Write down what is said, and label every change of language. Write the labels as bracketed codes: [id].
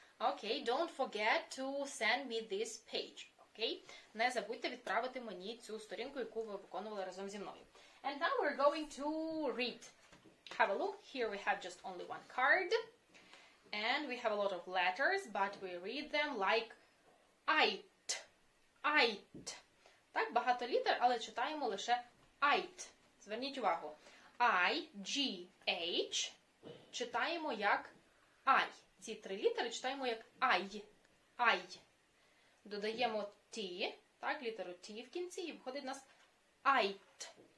[en] Okay, don't forget to send me this page. Okay? [uk] Не забудьте відправити мені цю сторінку, яку ви виконували разом зі мною. [en] And now we're going to read. Have a look. Here we have just only one card. And we have a lot of letters, but we read them like ight. Ight. [uk] Так, багато літер, але читаємо лише ight. Зверніть увагу. [en] I-G-H читаємо як I. [uk] Ці три літери читаємо як I. [en] I. [uk] Додаємо T, так, літеру T в кінці, і виходить у нас ight.